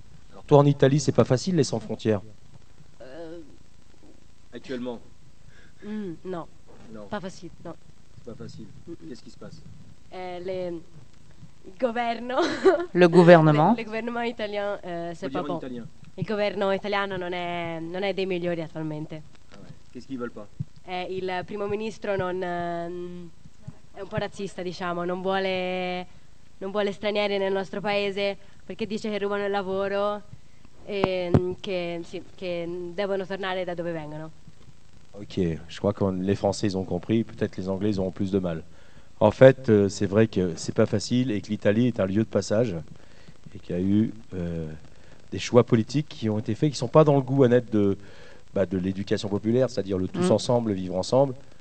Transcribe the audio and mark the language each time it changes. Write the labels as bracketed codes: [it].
[fr] Alors toi, en Italie, c'est pas facile, les sans frontières? Actuellement Non. Pas facile, non. C'est pas facile. Qu'est-ce qui se passe? Le gouvernement. Le gouvernement italien, c'est pas bon. Italien. [it] Il governo italiano non è dei migliori attualmente. [fr] Qu'est-ce qu'ils veulent pas? [it] Il primo ministro non è un po' razzista, diciamo, non vuole stranieri nel nostro paese perché dice che rubano il lavoro e che devono tornare da dove vengono. [fr] Ok, je crois que les Français ils ont compris, peut-être les Anglais ils auront plus de mal. En fait, c'est vrai que c'est pas facile et que l'Italie est un lieu de passage et qu'il y a eu des choix politiques qui ont été faits qui sont pas dans le goût honnête de l'éducation populaire, c'est-à-dire le tous ensemble, le vivre ensemble.